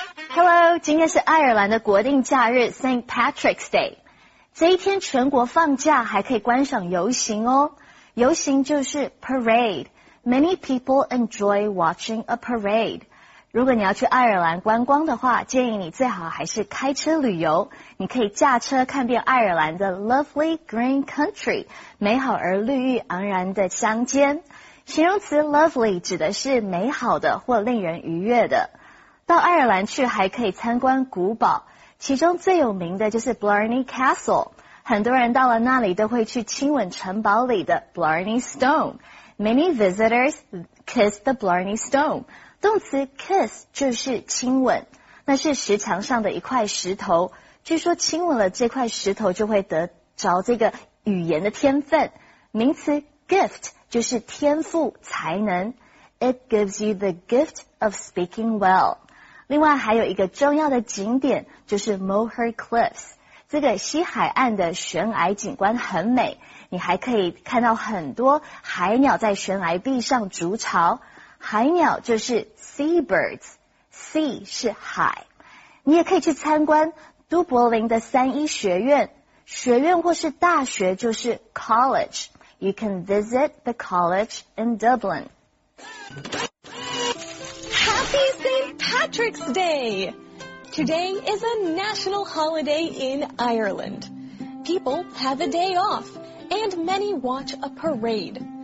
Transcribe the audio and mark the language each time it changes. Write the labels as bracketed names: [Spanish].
[English] Hello, [Chinese] 今天是爱尔兰的国定假日 St. [English] Patrick's Day. [Chinese] 这一天全国放假还可以观赏游行哦。游行就是 parade. [English] Many people enjoy watching a parade. [Chinese] 如果你要去爱尔兰观光的话，建议你最好还是开车旅游。你可以驾车看遍爱尔兰的 [English] lovely green country, [Chinese] 美好而绿意盎然的乡间。形容词 lovely 指的是美好的或令人愉悦的。到爱尔兰去还可以参观古堡，其中最有名的就是 Blarney Castle。很多人到了那里都会去亲吻城堡里的 Blarney Stone。 [English] Many visitors kiss the Blarney Stone. [Chinese] 动词 kiss 就是亲吻，那是石墙上的一块石头，据说亲吻了这块石头就会得着这个语言的天分。名词 gift 就是天赋才能， [English] It gives you the gift of speaking well. [Chinese] 另外还有一个重要的景点就是 Moher Cliffs， 这个西海岸的悬崖景观很美，你还可以看到很多海鸟在悬崖壁上筑巢。海鸟就是 seabirds, sea 是海。你也可以去参观都柏林的三一学院，学院或是大学就是 college. [English] You can visit the college in Dublin. Happy St. Patrick's Day! Today is a national holiday in Ireland. People have a day off, and many watch a parade.